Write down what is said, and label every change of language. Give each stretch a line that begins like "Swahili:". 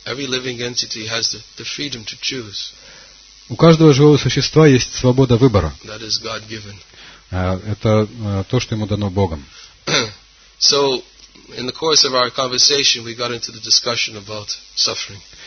English: Every living entity has the freedom to choose.
Russian: У каждого живого существа есть свобода выбора.
English: That is God-given.
Russian: Это то, что ему дано Богом.
English: So, in the course of our conversation, we got into the discussion about suffering.